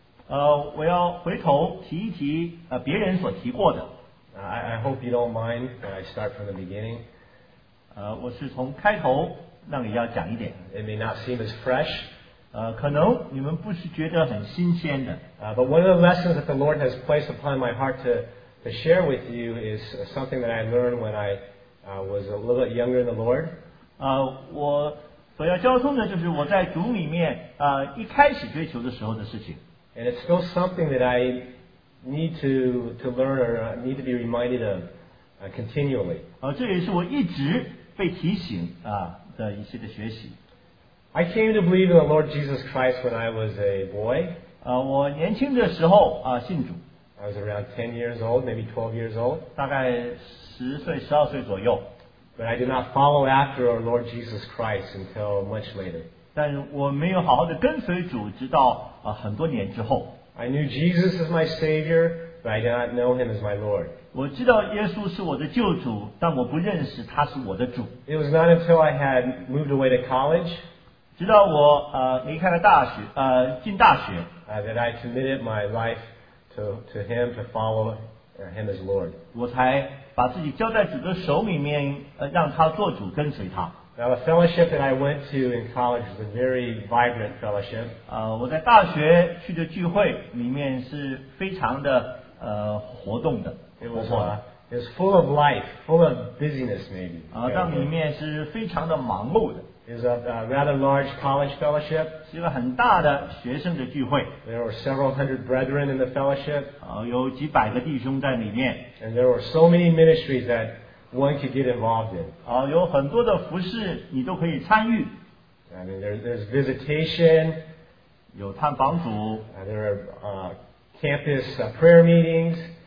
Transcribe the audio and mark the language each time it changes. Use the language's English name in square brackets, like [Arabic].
[Chinese] 我要回头提一提别人所提过的。 [English] I hope you don't mind when I start from the beginning. [Chinese] 我是从开头那里要讲一点。 [English] It may not seem as fresh. [Chinese] 可能你们不是觉得很新鲜的。 [English] But one of the lessons that the Lord has placed upon my heart to share with you is something that I learned when I was a little bit younger in the Lord. [Chinese] 我所要交通的就是我在主里面一开始追求的时候的事情。 [English] And it's still something that I need to learn or need to be reminded of continually. [Chinese] 这也是我一直被提醒的一些的学习。 [English] I came to believe in the Lord Jesus Christ when I was a boy. [Chinese] 我年轻的时候信主。 [English] I was around 10 years old, maybe 12 years old. [Chinese] 大概十岁十二岁左右。 [English] But I did not follow after our Lord Jesus Christ until much later. [Chinese] 但我没有好好的跟随主，直到很多年之后。 [English] I knew Jesus as my Savior, but I did not know Him as my Lord. [Chinese] 我知道耶稣是我的救主，但我不认识他是我的主。 [English] It was not until I had moved away to college, [Chinese] 直到我离开了大学进大学 [English] that I committed my life to Him to follow Him as Lord. [Chinese] 我才把自己交在主的手里面让他做主跟随他。 [English] Now the fellowship that I went to in college was a very vibrant fellowship. [Chinese] 我在大学去的聚会里面是非常的活动的。 [English] It was full of life, full of busyness maybe. [Chinese] 但里面是非常的忙碌的。 [English] It was a rather large college fellowship. [Chinese] 是一个很大的学生的聚会。 [English] There were several hundred brethren in the fellowship. [Chinese] 有几百个弟兄在里面。 [English] And there were so many ministries that one could get involved in. [Chinese] 有很多的服事你都可以参与。 [English] I mean, there's visitation. [Chinese] 有探访组。 [English] There are campus prayer meetings.